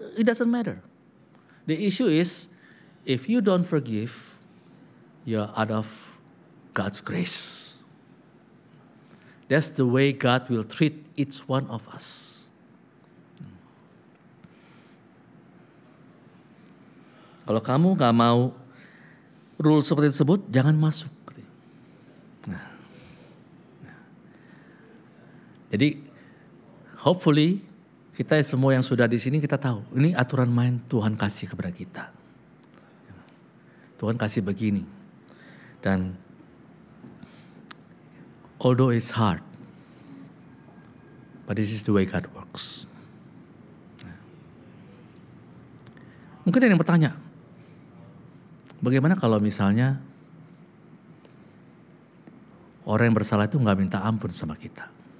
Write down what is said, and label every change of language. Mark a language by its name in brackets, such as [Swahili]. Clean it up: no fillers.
[English] It doesn't matter. The issue is, if you don't forgive, you're out of God's grace. That's the way God will treat each one of us. [Indonesian] Kalau kamu gak mau rule seperti tersebut, jangan masuk. Nah. Jadi, hopefully kita semua yang sudah di sini kita tahu ini aturan main Tuhan kasih kepada kita. Tuhan kasih begini. Dan [English] although it's hard, But this is the way God works. [Indonesian] Mungkin ada yang bertanya, bagaimana kalau misalnya orang yang bersalah itu gak minta ampun sama kita?